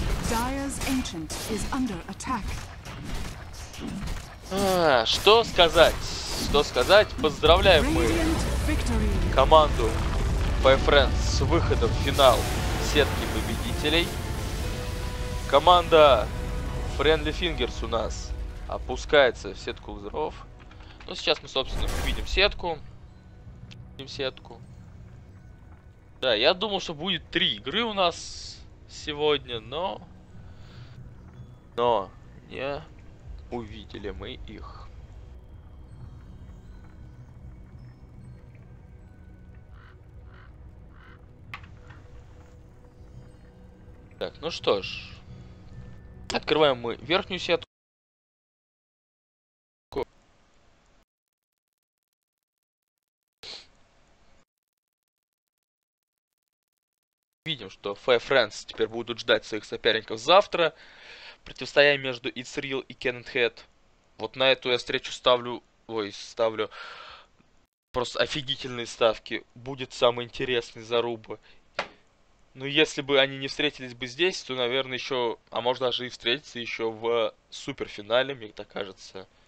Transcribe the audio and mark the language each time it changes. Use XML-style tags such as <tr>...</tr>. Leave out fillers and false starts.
<en>Dire's Ancient is under attack.</en> <ru>А, что сказать? Что сказать? Поздравляем мы команду Boyfriends с выходом в финал сетки победителей. Команда Friendly Fingers у нас опускается в сетку лузеров. Ну, сейчас мы, собственно, увидим сетку. Увидим сетку. Да, я думал, что будет 3 игры у нас сегодня, но... Но не увидели мы их. Так, ну что ж. Открываем мы верхнюю сетку. Видим, что Boyfriends теперь будут ждать своих соперников завтра. Противостояние между It's Real и Cannon Head. Вот на эту я встречу ставлю... Ой, ставлю... Просто офигительные ставки. Будет самый интересный заруба. Но если бы они не встретились бы здесь, то, наверное, еще... А может даже и встретиться еще в суперфинале, мне так кажется.</ru>